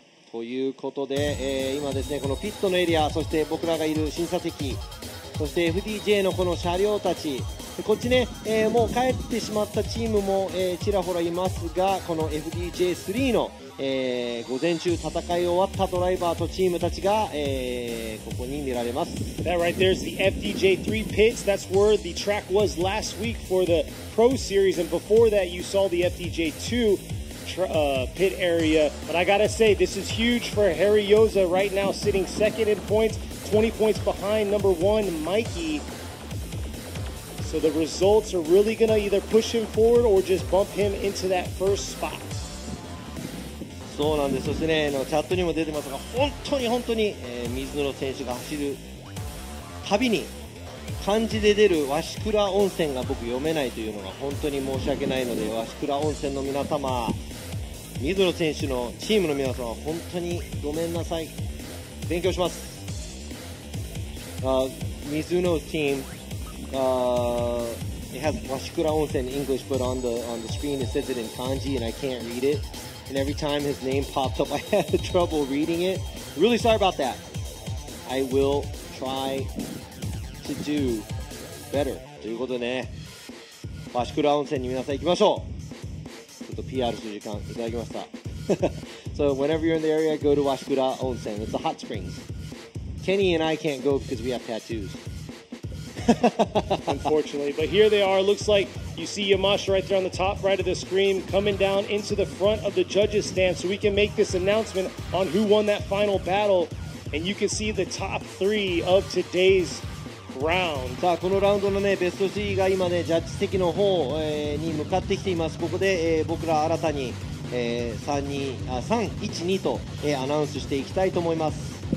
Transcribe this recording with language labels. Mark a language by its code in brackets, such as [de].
[ja] ということで、今ですねこのピットのエリアそして僕らがいる審査席そして FDJ のこの車両たちこっちね、もう帰ってしまったチームも、ちらほらいますがこの FDJ3 の、午前中戦い終わったドライバーとチームたちが、ここに見られます [en] That right there is the FDJ3 pits That's where the track was last week for the Pro Series And before that you saw the FDJ2pit area but I gotta say this is huge for Harry Yoza right now sitting second in points 20 points behind number one Mikey so So the results are really going to either push him forward or just bump him into that first spot. [ja] そうなんです。そしてね、チャットにも出てますが、本当に本当に、水野選手が走るたびに漢字で出る鷲倉温泉が僕読めないというのが本当に申し訳ないので、鷲倉温泉の皆様、水野選手のチームの皆様、本当にごめんなさい。勉強します。水野チーム、 [en] It has 鷲倉温泉 English put on the screen. It says it in 漢字 and I can't read itAnd every time his name popped up, I had trouble reading it. Really sorry about that. I will try to do better. [ja] ということでね、鷲倉温泉に皆さん行きましょう。ちょっと PR する時間いただきました。 [en] So whenever you're in the area, go to 鷲倉温泉. It's the hot springs. Kenny and I can't go because we have tattoos. Unfortunately, but here they are. Looks like you see Yamashita right there on the top right of the screen coming down into the front of the judges' stand so we can make this announcement on who won that final battle. And you can see the top three of today's round. [ja] さあ、このラウンドのね、ベスト3が今ね、ジャッジ席の方、に向かってきています。ここで、僕ら新たに、3-2と、アナウンスしていきたいと思います。